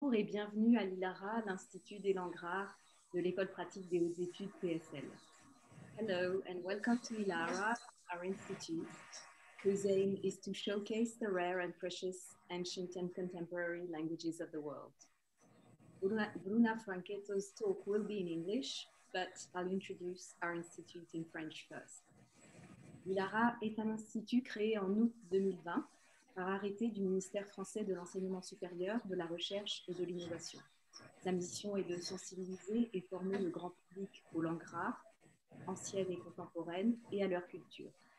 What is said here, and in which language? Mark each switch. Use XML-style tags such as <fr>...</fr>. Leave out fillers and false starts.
<fr>Bonjour et bienvenue à l'ILARA, l'Institut des langues rares de l'École pratique des hautes études PSL.</fr> <en>Hello and welcome to ILARA, our institute, whose aim is to showcase the rare and precious ancient and contemporary languages of the world. Bruna Franchetto's talk will be in English, but I'll introduce our institute in French first.</en> <fr>ILARA est un institut créé en août 2020 par arrêté du ministère français de l'enseignement supérieur, de la recherche et de l'innovation. Sa mission est de sensibiliser et former le grand public aux langues rares, anciennes et contemporaines, et à leur culture.</fr>